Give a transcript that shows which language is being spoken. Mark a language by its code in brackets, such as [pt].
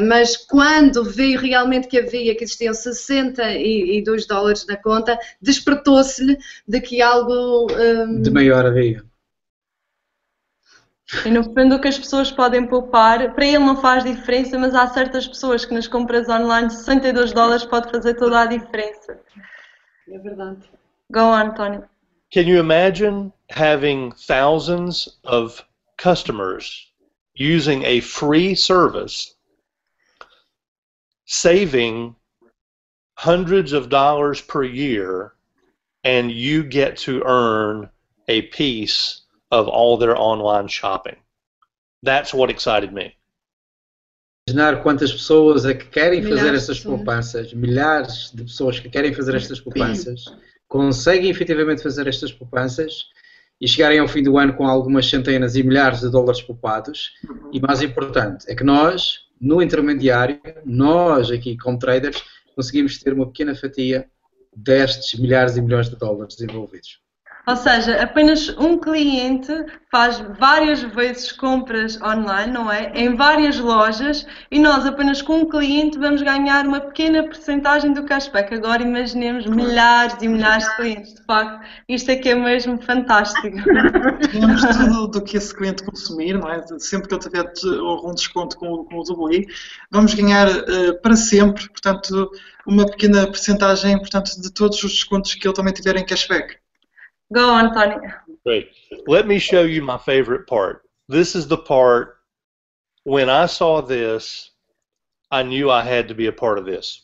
[pt] Mas quando vi realmente que havia, que existiam 62 dólares na conta, despertou-se-lhe de que algo... de maior havia. E no fundo o que as pessoas podem poupar, para ele não faz diferença, mas há certas pessoas que nas compras online 62 dólares pode fazer toda a diferença. É verdade. [en] Go on, Tony. Can you imagine having thousands of customers using a free service, saving hundreds of dollars per year, and you get to earn a piece of all their online shopping? That's what excited me. [pt] Imaginar quantas pessoas é que querem fazer essas poupanças, milhares de pessoas que querem fazer estas poupanças, conseguem efetivamente fazer estas poupanças e chegarem ao fim do ano com algumas centenas e milhares de dólares poupados. E mais importante, é que nós, no intermediário, nós aqui como traders, conseguimos ter uma pequena fatia destes milhares e milhões de dólares desenvolvidos. Ou seja, apenas um cliente faz várias vezes compras online, não é? Em várias lojas, e nós apenas com um cliente vamos ganhar uma pequena percentagem do cashback. Agora imaginemos milhares e milhares de clientes, de facto. Isto é que é mesmo fantástico. Temos tudo do que esse cliente consumir, não é? Sempre que ele tiver um desconto com o WI, vamos ganhar para sempre, portanto, uma pequena percentagem, portanto, de todos os descontos que ele também tiver em cashback. [en] Go on, Tony. Great. Let me show you my favorite part. This is the part when I saw this, I knew I had to be a part of this.